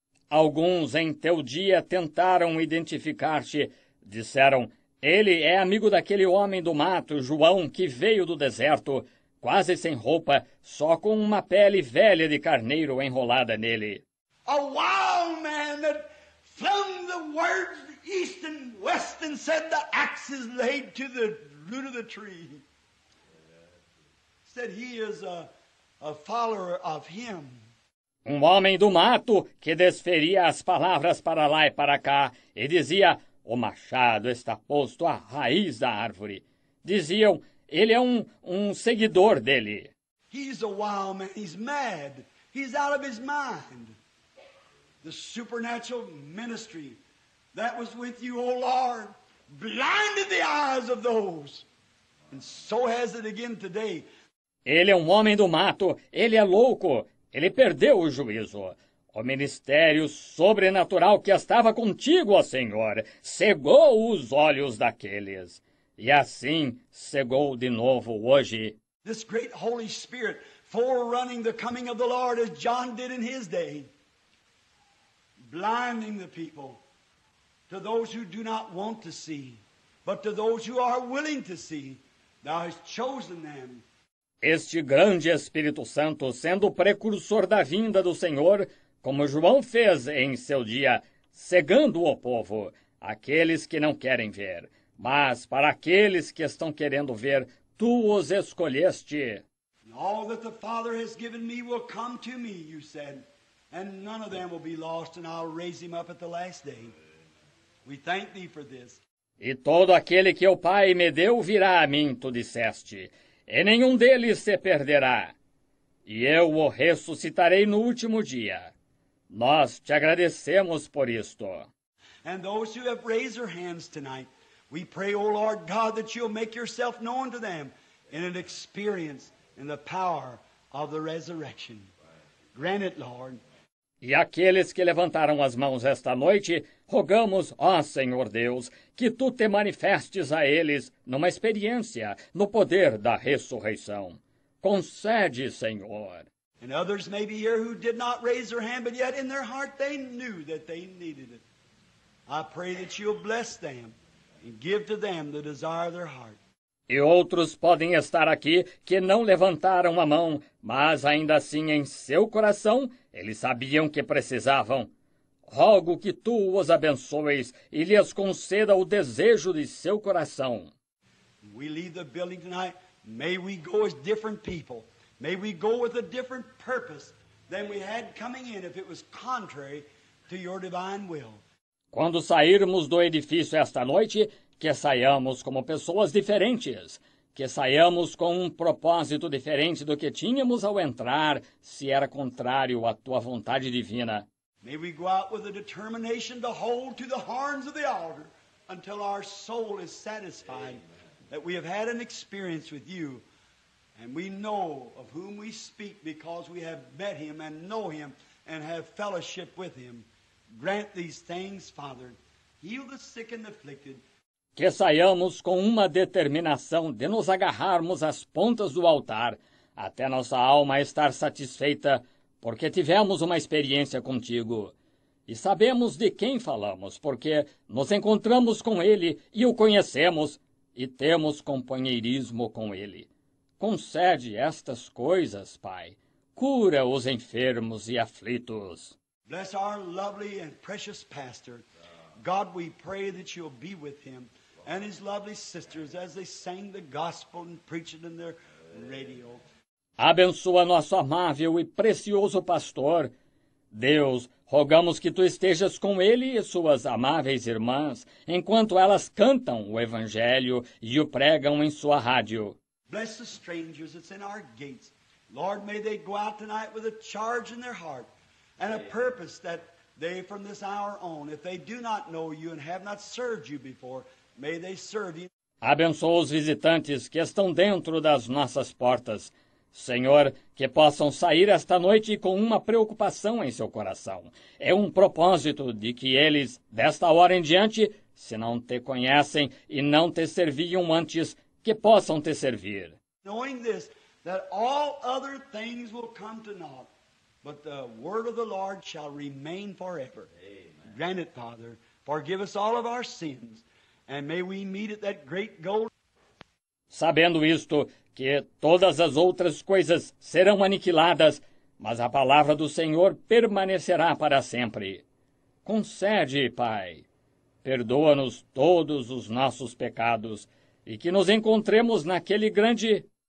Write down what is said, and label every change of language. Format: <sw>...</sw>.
<pt>Alguns em teu dia tentaram identificar-te, disseram, ele é amigo daquele homem do mato, João, que veio do deserto, quase sem roupa, só com uma pele velha de carneiro enrolada nele.</pt> <en>A wild man that flung the words east and west and said the axe is laid to the root of the tree. Said he is a follower of him.</en> <pt>Um homem do mato que desferia as palavras para lá e para cá e dizia, o machado está posto à raiz da árvore. Diziam, ele é um seguidor dele.</pt> <en>He's a wild man. He's mad. He's out of his mind. The supernatural ministry that was with you, O Lord, blinded the eyes of those. And so has it again today.</en> <pt>Ele é um homem do mato. Ele é louco. Ele perdeu o juízo. O ministério sobrenatural que estava contigo, ó Senhor, cegou os olhos daqueles. E assim cegou de novo hoje.</pt> <en>This great Holy Spirit forerunning the coming of the Lord as John did in his day, blinding the people to those who do not want to see, but to those who are willing to see, thou hast chosen them.</en> <pt>Este grande Espírito Santo, sendo o precursor da vinda do Senhor, como João fez em seu dia, cegando o povo, aqueles que não querem ver. Mas para aqueles que estão querendo ver, tu os escolheste.</pt> <en>All that the Father has given me will come to me, you said, and none of them will be lost, and I'll raise him up at the last day. We thank thee for this.</en> <pt>E todo aquele que o Pai me deu virá a mim, tu disseste, e nenhum deles se perderá. E eu o ressuscitarei no último dia. Nós te agradecemos por isto.</pt> <en>And those who have raised their hands tonight, We pray, O Lord God, that you'll make yourself known to them in an experience in the power of the resurrection. Grant it, Lord.</en> <pt>E aqueles que levantaram as mãos esta noite, rogamos, ó Senhor Deus, que Tu te manifestes a eles numa experiência no poder da ressurreição. Concede, Senhor.</pt> <en>And others may be here who did not raise their hand, but yet in their heart they knew that they needed it. I pray that you'll bless them and give to them the desire of their heart.</en> <pt>E outros podem estar aqui que não levantaram a mão, mas ainda assim em seu coração eles sabiam que precisavam. Rogo que tu os abençoes e lhes conceda o desejo de seu coração.</pt> <en>We leave the building tonight. May we go as different people. May we go with a different purpose than we had coming in if it was contrary to your divine will.</en> <pt>Quando sairmos do edifício esta noite, que saiamos como pessoas diferentes, que saiamos com um propósito diferente do que tínhamos ao entrar, se era contrário à tua vontade divina.</pt> <en>May we go out with a determination to hold to the horns of the altar until our soul is satisfied. Amen. That we have had an experience with you and we know of whom we speak because we have met him and know him and have fellowship with him. Grant these things, Father. Heal the sick and the afflicted.</en> <pt>Que saiamos com uma determinação de nos agarrarmos às pontas do altar, até nossa alma estar satisfeita, porque tivemos uma experiência contigo. E sabemos de quem falamos, porque nos encontramos com ele e o conhecemos, e temos companheirismo com ele. Concede estas coisas, Pai. Cura os enfermos e aflitos.</pt> <en>Bless our lovely and precious pastor. God, we pray that you'll be with him and his lovely sisters as they sang the gospel and preached it in their radio.</en> <pt>Abençoa nosso amável e precioso pastor. Deus, rogamos que tu estejas com ele e suas amáveis irmãs enquanto elas cantam o evangelho e o pregam em sua rádio.</pt> <en>Bless the strangers that's in our gates. Lord, may they go out tonight with a charge in their heart and a purpose that they from this hour on, if they do not know you and have not served you before, may they serve you.</en> <pt>Abençoa os visitantes que estão dentro das nossas portas. Senhor, que possam sair esta noite com uma preocupação em seu coração. É um propósito de que eles, desta hora em diante, se não te conhecem e não te serviam antes, que possam te servir.</pt> <en>Knowing this, that all other things will come to naught. But the word of the Lord shall remain forever. Amen. Grant it, Father. Forgive us all of our sins. And may we meet at that great goal.</en> <pt>Sabendo isto, que todas as outras coisas serão aniquiladas, mas a palavra do Senhor permanecerá para sempre. Concede, Pai, perdoa-nos todos os nossos pecados e que nos encontremos naquele grande...</pt>